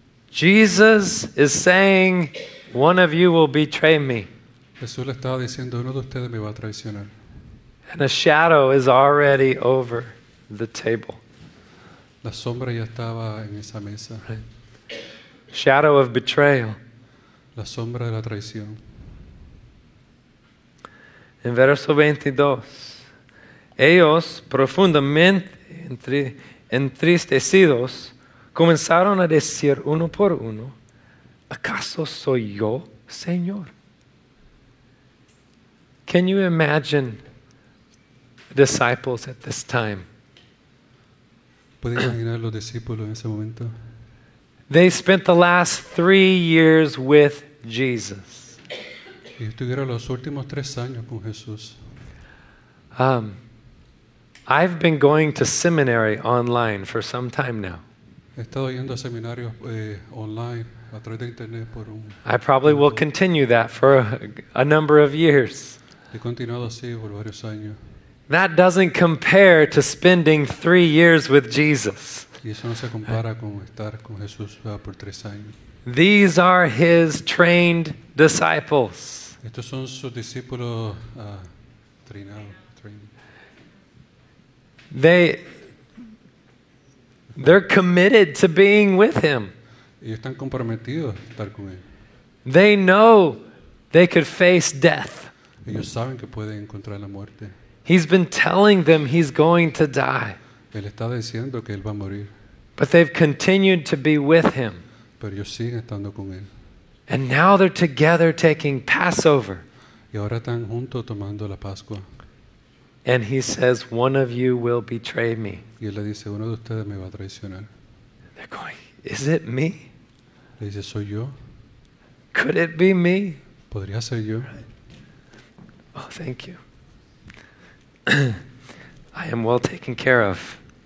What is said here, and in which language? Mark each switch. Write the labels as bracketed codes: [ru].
[en] Jesus is saying, one of you will betray me. [es] Jesús le estaba diciendo, uno de ustedes me va a traicionar. [en] And a shadow is already over the table. [es] La sombra ya estaba en esa mesa. [en] Right. Shadow of betrayal. [es] La sombra de la traición. En verso 22, ellos profundamente entristecidos comenzaron a decir uno por uno, ¿acaso soy yo, Señor? [en] Can you imagine the disciples at this time? [es] ¿Puedes imaginar los discípulos en ese momento? [en] They spent the last 3 years with Jesus. [es] Y estuvieron los últimos 3 años con Jesús. [en] I've been going to seminary online for some time now. [es] He estado yendo a seminarios online a través de internet por un. [en] I probably will continue that for a number of years. [es] He continuado así por varios años. [en] That doesn't compare to spending 3 years with Jesus. [es] Y eso no se compara con estar con Jesús por 3 años. [en] These are his trained disciples. [es] Estos son sus discípulos trainados. [en] They're committed to being with him. [es] Y están comprometidos a estar con él. [en] They know they could face death. [es] Ellos saben que pueden encontrar la muerte. [en] He's been telling them he's going to die. [es] Él está diciendo que él va a morir. [en] But they've continued to be with him. [es] Pero ellos siguen estando con él. [en] And now they're together taking Passover. [es] Y ahora están juntos tomando la Pascua. [en] And he says, one of you will betray me. [es] Y él le dice, uno de ustedes me va a traicionar. [en] They're going, is it me? [es] Le dice, soy yo. [en] Could it be me? [es] ¿Podría ser yo? [en] Right. Oh, thank you. I am well taken care of.